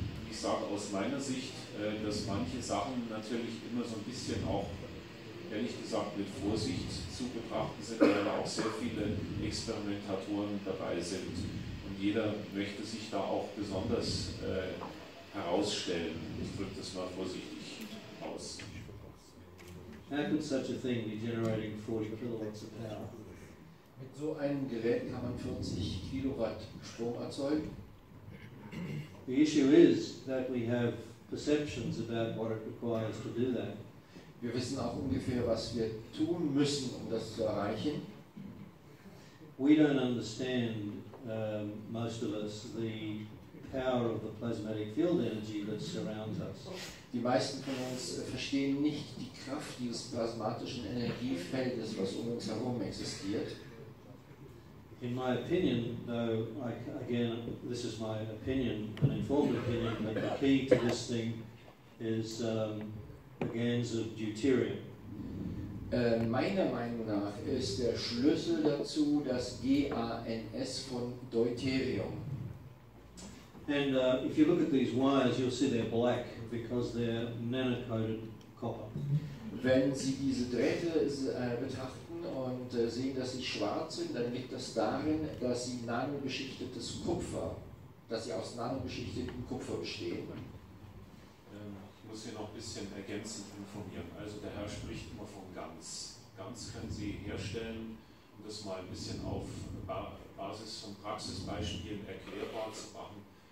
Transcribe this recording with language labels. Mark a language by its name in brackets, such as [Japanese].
[German] Ich sage aus meiner Sicht, dass manche Sachen natürlich immer so ein bisschen auch, ehrlich gesagt, mit Vorsicht zu betrachten sind, weil da auch sehr viele Experimentatoren dabei sind. Und jeder möchte sich da auch besonders herausstellen. Ich drücke das mal vorsichtig aus. [English] How could such a thing be generating 40 kilowatts of power? [German] Mit so einem Gerät kann man 40 Kilowatt Strom erzeugen. [English] The issue is that we have perceptions about what it requires to do that. [German] Wir wissen auch ungefähr, was wir tun müssen, um das zu erreichen. [English] We don't understand, most of us, the power of the plasmatic field energy that surrounds us. [German] Die meisten von uns verstehen nicht die Kraft dieses plasmatischen Energiefeldes, was um uns herum existiert. [English] In my opinion, though, again, this is my opinion, an informed opinion, but the key to this thing is the GANs of deuterium. [German] Meiner Meinung nach ist der Schlüssel dazu das GANs von Deuterium. [English] And if you look at these wires, you'll see they're black because they're nano-coated copper. [German] Wenn Sie diese Drähte betrachten und sehen, dass sie schwarz sind, dann liegt das darin, dass sie nanobeschichtetes Kupfer, dass sie aus nanobeschichtetem Kupfer bestehen. Ich muss hier noch ein bisschen ergänzend informieren. Also der Herr spricht immer von GANs. GANs können Sie herstellen, um das mal ein bisschen auf Basis von Praxisbeispielen erklärbar zu machen.